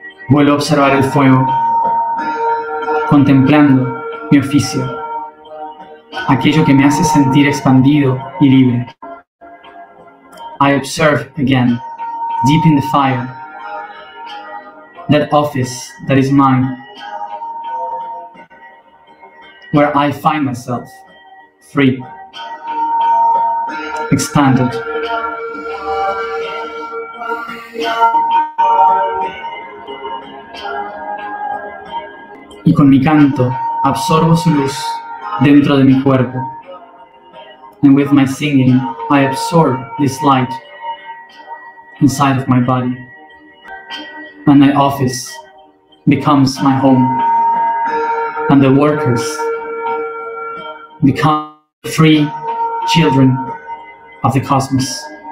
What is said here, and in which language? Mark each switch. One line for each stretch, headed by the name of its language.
Spanish: Vuelvo a observar el fuego, contemplando mi oficio, aquello que me hace sentir expandido y libre.
English: I observe again, deep in the fire, that office that is mine, where I find myself free, expanded.
Spanish: Y con mi canto absorbo su luz dentro de mi cuerpo.
English: And with my singing, I absorb this light inside of my body, and my office becomes my home, and the workers become free children of the cosmos.